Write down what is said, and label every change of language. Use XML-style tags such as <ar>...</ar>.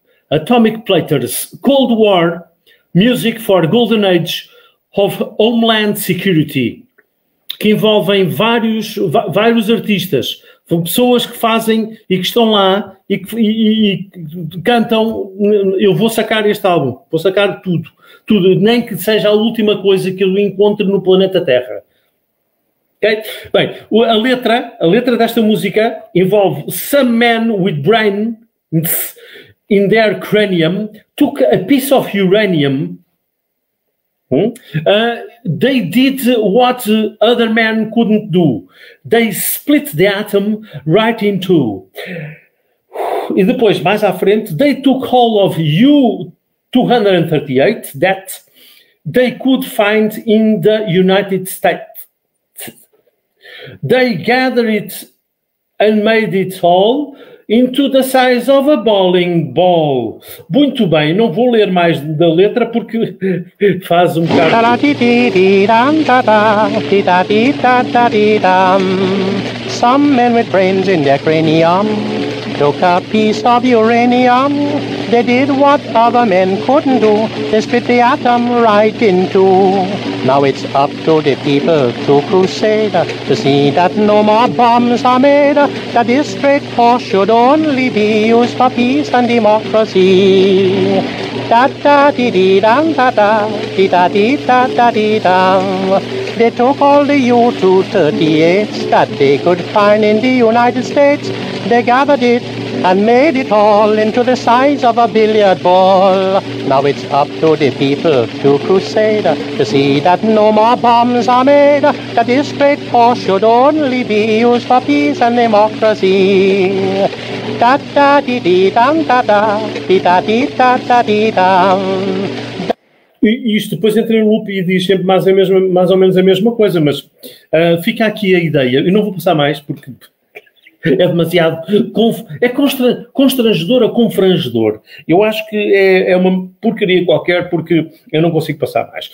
<pt>Atomic Platters, Cold War Music for Golden Age of Homeland Security, que envolvem vários artistas, pessoas que fazem e que estão lá e cantam. Eu vou sacar este álbum, vou sacar tudo, nem que seja a última coisa que eu encontre no planeta Terra. Okay? Bem, a letra desta música envolve</pt> <en>some men with brains in their cranium took a piece of uranium. They did what other men couldn't do. They split the atom right in two.</en> <pt>E depois, mais à frente,</pt> <en>they took all of U-238 that they could find in the United States. They gathered it and made it all into the size of a bowling ball.</en> <pt>Muito bem, não vou ler mais da letra porque faz um bocado...</pt> <en>Some men with brains in their cranium took a piece of uranium. They did what other men couldn't do. They split the atom right in two. Now it's up to the people to crusade to see that no more bombs are made, that this great force should only be used for peace and democracy. Da da di di dum da da di da di da da di dum. They took all the U-238s that they could find in the United States. They gathered it and made it all into the size of a billiard ball. Now it's up to the people to crusade to see that no more bombs are made, that this great force should only be used for peace and democracy. Da da di di dum da da di da di da da di dum.</en> <pt>E isto depois entra em loop e diz sempre mais ou menos a mesma coisa, mas fica aqui a ideia. Eu não vou passar mais porque é demasiado... constrangedor a confrangedor. Eu acho que é uma porcaria qualquer porque eu não consigo passar mais.</pt>